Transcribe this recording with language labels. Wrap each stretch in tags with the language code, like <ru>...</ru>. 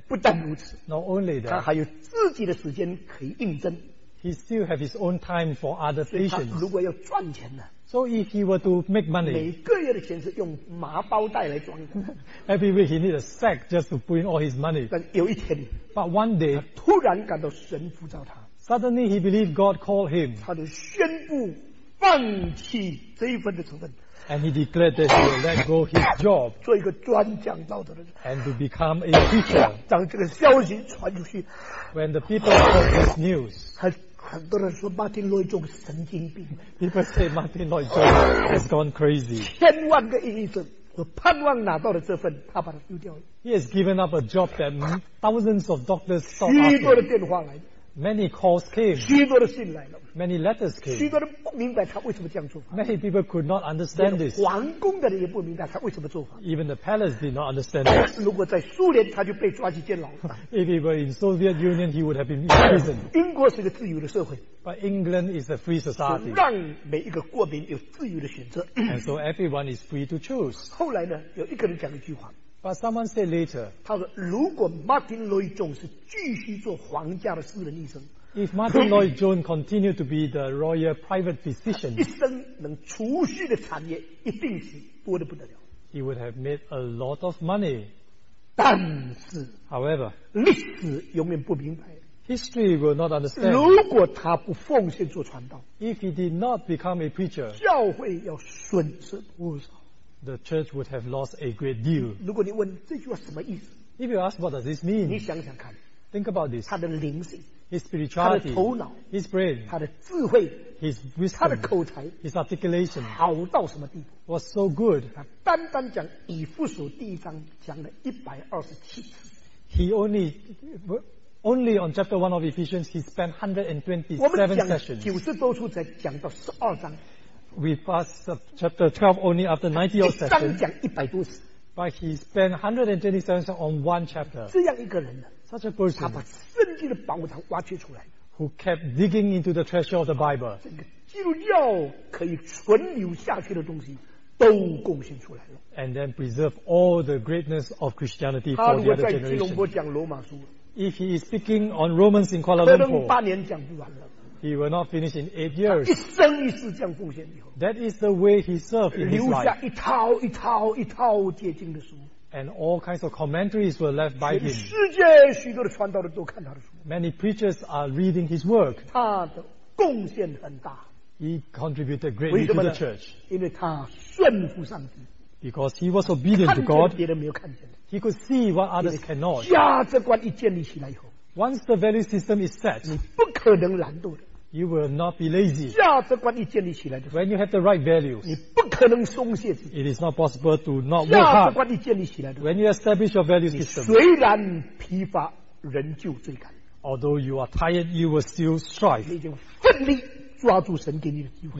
<zh>不但如此</zh> <en>，Not only that，</en> <zh>他还有自己的时间可以应征。</zh> <en>He still have his own time for other patients.</en> <zh>如果要赚钱呢</zh> <en>？So if he were to make money，</en> <zh>每个月的钱是用麻包袋来装的。</zh> <en>Every week he need a sack just to put in all his money.</en> <zh>但有一天</zh> <en>，But one day，</en> <zh>他突然感到神呼召他。</zh> <en>Suddenly he believed God called him.</en> <zh>他就宣布放弃这一份的职分。</zh> <en>And he declared that he will let go his job.</en> <zh>做一个专讲道的人。</zh> <en>And to become a preacher.</en> <zh>当这个消息传出去</zh> <en>，When the people heard this news，</en> <zh>很多人说 Martin Lloyd Jones 神经病。</zh> <en>People say Martin Lloyd Jones has gone crazy.</en> <zh>千万个医生和盼望拿到了这份，他把它丢掉了。</zh> <en>He has given up a job that thousands of doctors sought after.</en> <zh>许多的电话来。</zh> <en>Many calls came.</en> <zh>许多的信来了。</zh> <en>Many letters came.</en> <zh>许多人不明白他为什么这样做法。</zh> <en>Many people could not understand this.</en> <zh>皇宫的人也不明白他为什么做法。</zh> <en>Even the palace did not understand this.</en> <zh>如果在苏联，他就被抓去监牢了。</zh> <en>If he were in Soviet Union, he would have been imprisoned.</en> <zh>英国是一个自由的社会。</zh> <en>But England is a free society.</en> <zh>让每一个国民有自由的选择。</zh> <en>And so everyone is free to choose.</en> <zh>后来呢，有一个人讲一句话。</zh> <en>But someone said later,</en> <zh>他说如果 Martin Lloyd Jones 继续做皇家的私人医生，</zh> <en>If Martin Lloyd Jones continued to be the royal private physician,</en> <zh>一生能储蓄的产业一定是多得不得了。</zh> <en>He would have made a lot of money.</en> <zh>但是</zh> <en>However,</en> <zh>历史永远不明白。</zh> <en>History will not understand.</en> <zh>如果他不奉献做传道，</zh> <en>If he did not become a preacher,</en> <zh>教会要损失不少。</zh> <en>The church would have lost a great deal.</en> <zh>如果你问这句话什么意思？</zh> <en>If you ask what does this mean?</en> <zh>你想想看。</zh> <en>Think about this.</en> <zh>他的灵性，</zh> <en>his spirituality，</en> <zh>他的头脑，</zh> <en>his brain，</en> <zh>他的智慧，</zh> <en>his wisdom，</en> <zh>他的口才，</zh> <en>his articulation，</en> <zh>好到什么地步？</zh> <en>Was so good.</en> <zh>他单单讲以弗所第一章讲了127次。</zh> <en>He only on chapter 1 of Ephesians he spent 127 sessions.</en> <zh>90多处才讲到12章。</zh> <en>We passed chapter 12 only after 90 or</en> <zh>70. 一章讲一百多次。</zh> <en>But he spent 127 on one chapter.</en> <zh>这样一个人呢，</zh> <en>such a person,</en> <zh>他把圣经的宝藏挖掘出来。</zh> <en>Who kept digging into the treasure of the Bible.</en> <zh>整个基督教可以存留下去的东西都贡献出来了。</zh> <en>And then preserve all the greatness of Christianity for the other generation.</en> <zh>他如果在吉隆坡讲罗马书，</zh> <en>If he is speaking on Romans in Kuala Lumpur,</en> <zh>可能八年讲不完了。</zh> <en>He will not finish in 8 years.</en> <zh>一生一世这样奉献以后，</zh> <en>That is the way he served in his life.</en> <zh>留下一套一套一套解经的书，</zh> <en>And all kinds of commentaries were left by him.</en> <zh>世界许多的传道人都看他的书，</zh> <en>Many preachers are reading his work.</en> <zh>他的贡献很大，</zh> <en>He contributed greatly to the church.</en> <zh>因为他顺服上帝，</zh> <en>Because he was obedient to God.</en> <zh>别人没有看见，</zh> <en>He could see what others cannot.</en> <zh>价值观一建立起来以后，</zh> <en>Once the value system is set,</en> <zh>你不可能懒惰的。</zh> <en>You will not be lazy.</en> <zh>价值观一建立起来的时候，</zh> <en>When you have the right values,</en> <zh>你不可能松懈。</zh> <en>It is not possible to not work hard.</en> <zh>价值观一建立起来的时候，</zh> <en>When you establish your value system,</en> <zh>你虽然疲乏，仍旧追赶。</zh> <en>Although you are tired, you will still strive.</en> <zh>你已经奋力抓住神给你的机会。</zh>